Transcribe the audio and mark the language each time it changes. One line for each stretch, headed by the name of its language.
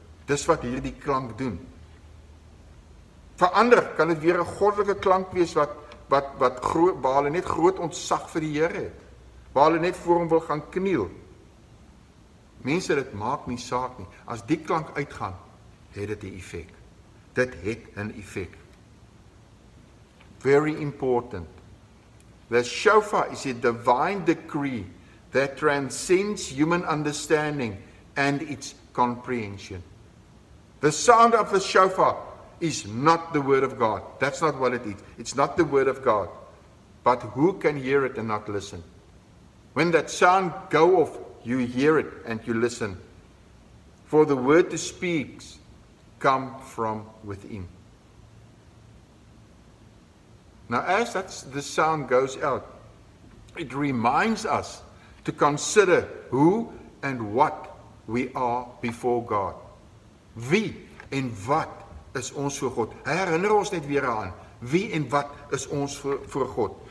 Afrikaans: Dis wat hierdie klank doen. Vir ander kan dit weer 'n goddelike klank wees wat groot, waar hulle net groot ontzag vir die Here het. Waar hulle net voor hom wil gaan kniel. Mense, dit maak nie saak nie. As die klank uitgaan, het dit 'n effek. Dit het 'n effek.
English: Very important. The shofar is a divine decree that transcends human understanding and its comprehension. The sound of the shofar is not the word of God. That's not what it is. It's not the word of God. But who can hear it and not listen? When that sound go off, you hear it and you listen. For the word to speak come from within. Now as the sound goes out, it reminds us to consider who and what we are before God.
Afrikaans: Wie en wat is ons voor God? Herinner ons net weer aan, wie en wat is ons voor God?